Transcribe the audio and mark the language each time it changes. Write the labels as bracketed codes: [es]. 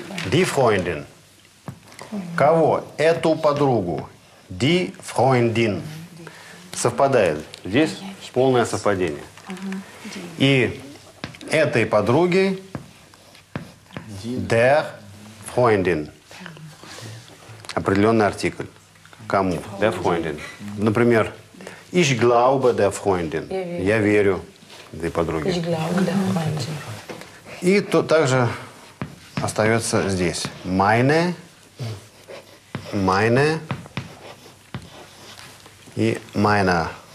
[de] Die Freundin. [ru] Кого? Эту подругу. [de] Die Freundin. [ru] Совпадает. Здесь полное совпадение. И этой подруге [de] der Freundin. [ru] определенный артикль. Кому? [de] Der Freundin. Например, ich glaube der Freundin. [ru] Я верю. Этой подруге. [de] Ich glaube der Freundin. [ru] И то также остается здесь. [de] Meine. Meine. И meiner.